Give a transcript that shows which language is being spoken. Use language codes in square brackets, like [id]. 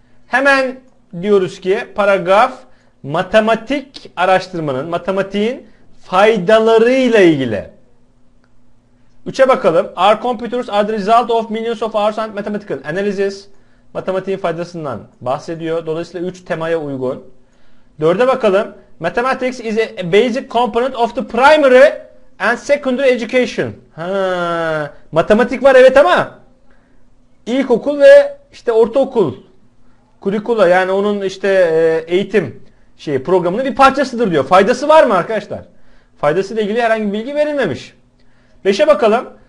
[tr] Hemen diyoruz ki paragraf matematik araştırmanın, matematiğin faydalarıyla ilgili. 3'e bakalım. [en] Our computers are the result of millions of hours and mathematical analysis. [tr] Matematiğin faydasından bahsediyor. Dolayısıyla 3 temaya uygun. 4'e bakalım. [en] Mathematics is a basic component of the primary and secondary education. [tr] Ha, matematik var evet ama ilkokul ve işte ortaokul kurikula, yani onun işte eğitim şeyi, programının bir parçasıdır diyor. Faydası var mı arkadaşlar? Faydasıyla ilgili herhangi bir bilgi verilmemiş. 5'e bakalım.